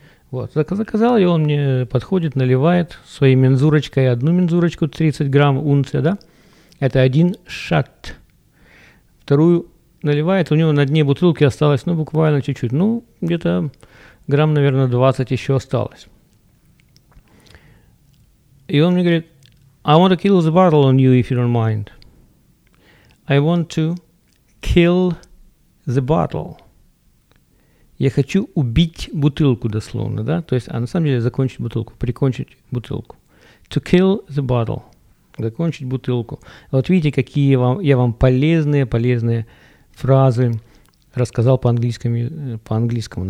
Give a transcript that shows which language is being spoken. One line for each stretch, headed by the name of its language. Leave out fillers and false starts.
Russian: Вот, заказал, и он мне подходит, наливает своей мензурочкой одну мензурочку, 30 грамм, унция, да? Это один шат. Вторую наливает, у него на дне бутылки осталось, ну, буквально чуть-чуть, ну, где-то грамм, наверное, 20 еще осталось. И он мне говорит,
English: I want to kill the bottle on you, if you don't mind. I want to kill the bottle.
Russian: Я хочу убить бутылку, дословно, да? То есть, а на самом деле закончить бутылку, прикончить бутылку.
English: To kill the bottle.
Russian: Закончить бутылку. Вот видите, какие я вам полезные фразы рассказал по-английскому.